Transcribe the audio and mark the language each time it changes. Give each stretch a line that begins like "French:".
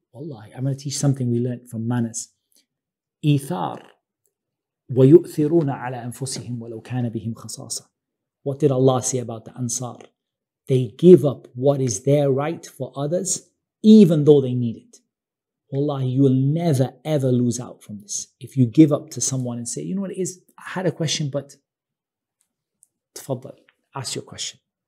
English: Wallahi, I'm going to teach something we learned from Manas.
Arabic: Ithar, وَيُؤْثِرُونَ عَلَىٰ أَنفُسِهِمْ وَلَوْ كَانَ بِهِمْ خَصَاصًا.
English: What did Allah say about the Ansar? They give up what is their right for others, even though they need it. Wallahi, you will never ever lose out from this. If you give up to someone and say, you know what it is? I had a question, but تفضل, ask your question.